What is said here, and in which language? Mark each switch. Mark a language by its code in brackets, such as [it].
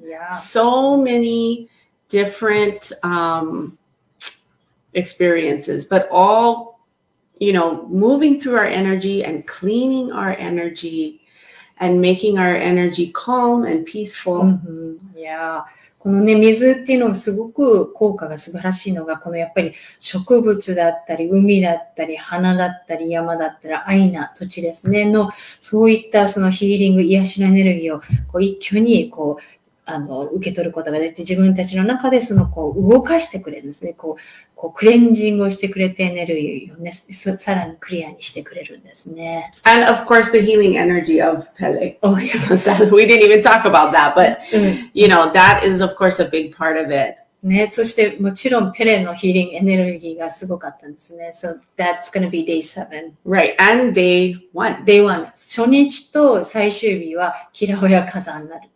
[en] Yeah. So many different experiences, but all, you know, moving through our energy and cleaning our energy and making our energy calm and peaceful. Mm-hmm. Yeah. [ja] このね、水っていうのがすごく効果が素晴らしいのが、このやっぱり植物だったり、海だったり、花だったり、山だったり、アイナ、土地ですね、の、そういったそのヒーリング、癒しのエネルギーを、こう一挙に、こう、受け取ることができて、自分たちの中でその、こう、動かしてくれるんですね。こう、クレンジングをしてくれて、エネルギーをね、さらにクリアにしてくれるんですね。 [en] And of course, the healing energy of Pele. Oh, yes. We didn't even talk about that, but, you know, that is, of course, a big part of it. [ja] ね、そして、もちろん、ペレのヒーリングエネルギーがすごかったんですね。 [en] So, that's gonna be day seven. Right, and day one. Day one. [ja] 初日と最終日は、キラホヤ火山になる。